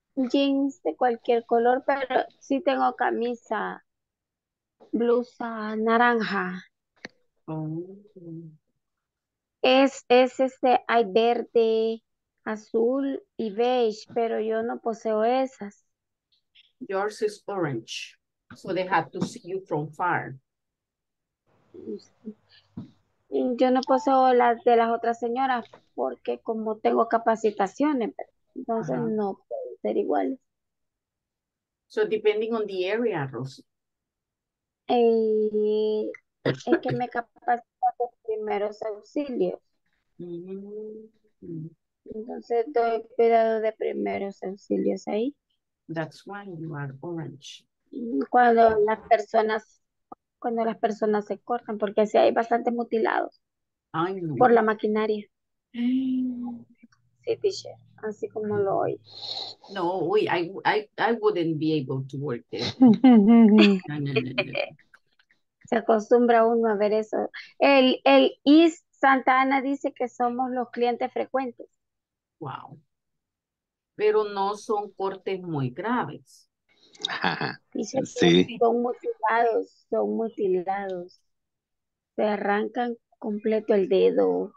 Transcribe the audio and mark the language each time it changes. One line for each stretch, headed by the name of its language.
Spanish: Jeans de cualquier color, pero sí tengo camisa, blusa, naranja. Oh. Es este, hay verde, azul y beige, pero yo no poseo esas.
English: Yours is orange, so they have to see you from far.
Spanish: Yo no poseo las de las otras señoras porque como tengo capacitaciones, entonces uh-huh. No pueden ser iguales.
English: So depending on the area, Rosy.
Spanish: Es que me capacito de primeros auxilios. Mm-hmm. Entonces doy cuidado de primeros auxilios ahí.
English: That's why you are orange.
Spanish: Cuando las personas se cortan, porque así hay bastante mutilados. Ay, no. Por la maquinaria. Sí, teacher, así como lo oí. No, uy,
English: I wouldn't be able to work there.
Spanish: No. Se acostumbra uno a ver eso. El East Santa Ana dice que somos los clientes frecuentes. Wow. Pero no son cortes muy graves. Dice sí. son mutilados, se arrancan completo el dedo.